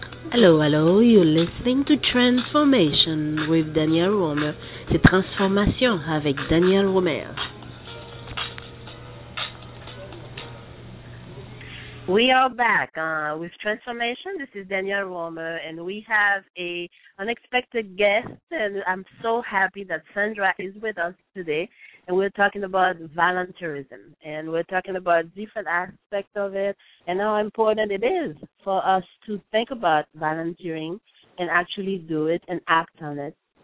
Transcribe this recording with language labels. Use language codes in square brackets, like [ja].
[en] Hello, hello, you're listening to Transformation with Daniel Romer. [fr] C'est Transformation avec Daniel Romer. [en] We are back with Transformation. This is Daniel Romer, and we have an unexpected guest, and I'm so happy that Sandra is with us today, and we're talking about volunteerism, and we're talking about different aspects of it and how important it is for us to think about volunteering and actually do it and act on it.